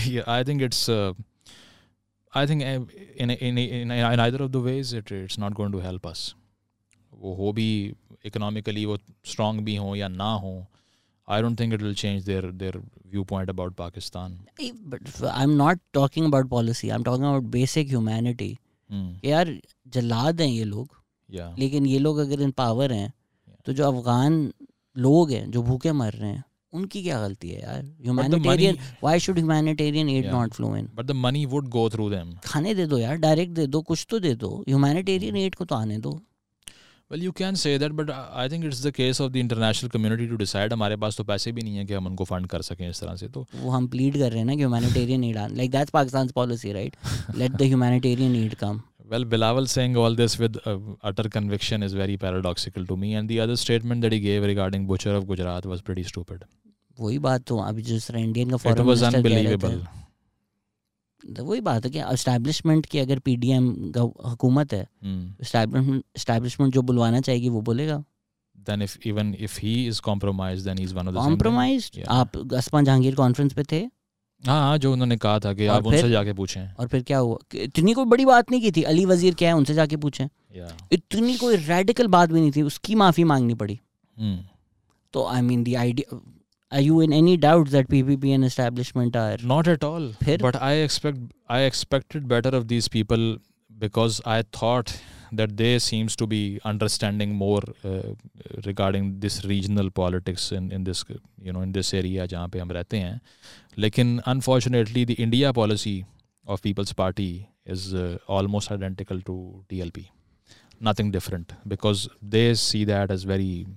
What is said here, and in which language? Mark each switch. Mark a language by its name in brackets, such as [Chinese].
[English] yeah, I think it's I think in either of the ways it's not going to help us. [Urdu] Wo ho bhi economically wo strong bhi ho ya na ho, [English] I don't think it will change their viewpoint about Pakistan. But I'm not talking about policy, I'm talking about basic humanity. [Urdu] یار جلا دیں یہ لوگ, لیکن یہ لوگ اگر ان power ہیں تو جو افغان لوگ ہیں جو بھوکے مر رہے ہیں ان کی کیا غلطی ہے یار؟ Humanitarian, [English] Why should humanitarian aid not flow in, but the money would go through them. [Urdu] کھانے دے دو یار, ڈائریکٹ دے دو, کچھ تو دے دو, ہیومینیٹیرین ایڈ کو تو آنے دو. [English] Well you can say that, but I think it's the case of the international community to decide. [Urdu] ہمارے پاس تو پیسے بھی نہیں ہیں کہ ہم ان کو فنڈ کر سکیں اس طرح سے, تو وہ ہم پلیڈ کر رہے ہیں نا کہ [English] Humanitarian aid on, like that's Pakistan's policy right, let the humanitarian aid come. Well Bilawal sang all this with utter conviction is very paradoxical to me, and the other statement that he gave regarding butcher of Gujarat was pretty stupid. [Urdu] وہی بات تو ابھی جس طرح Indian کا فورن minister, [English] It was unbelievable. [Urdu] وہی بات ہے کہ اسٹیبلشمنٹ کی اگر پی ڈی ایم حکومت ہے, اسٹیبلشمنٹ جو بلوانا چاہے گی وہ بولے گا. [English] Then if even if he is compromised, then he's one of the [Urdu] compromised. آپ اسپان جہانگیر کانفرنس پہ تھے, ہاں جو انہوں نے کہا تھا کہ آپ ان سے جا کے پوچھیں, اور پھر کیا ہوا؟ اتنی کوئی بڑی بات نہیں کی تھی, علی وزیر کیا ہے ان سے جا کے پوچھیں, اتنی کوئی ریڈیکل بات بھی نہیں تھی, اس کی معافی مانگنی پڑی. [English] تو I mean the idea, are you in any doubt that PPP and establishment are not at all [Urdu] phir? [English] But I expected better of these people, because I thought that they seems to be understanding more regarding this regional politics in this you know in this area [Urdu] jahan pe hum rehte hain, lekin [English] unfortunately the India policy of People's Party is almost identical to TLP, nothing different, because they see that as very